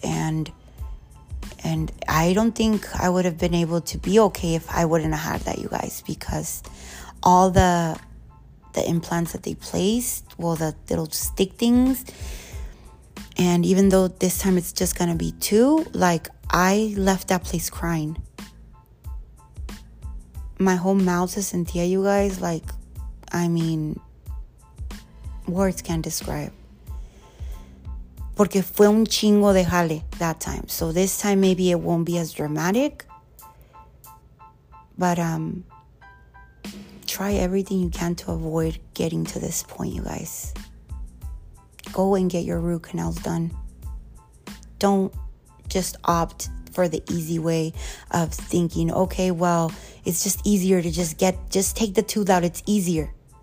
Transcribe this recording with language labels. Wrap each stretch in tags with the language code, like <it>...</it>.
<en>And I don't think I would have been able to be okay if I wouldn't have had that, you guys, because all the implants that they placed, well, the little stick things, and even though this time it's just going to be two, like, I left that place crying. My whole mouth is in tears, you guys, like, I mean, words can't describe.</en> <es>Porque fue un chingo de jale</es> <en>that time. So this time maybe it won't be as dramatic. But try everything you can to avoid getting to this point, you guys. Go and get your root canals done. Don't just opt for the easy way of thinking, okay, well, it's just easier to just take the tooth out. It's easier.</en>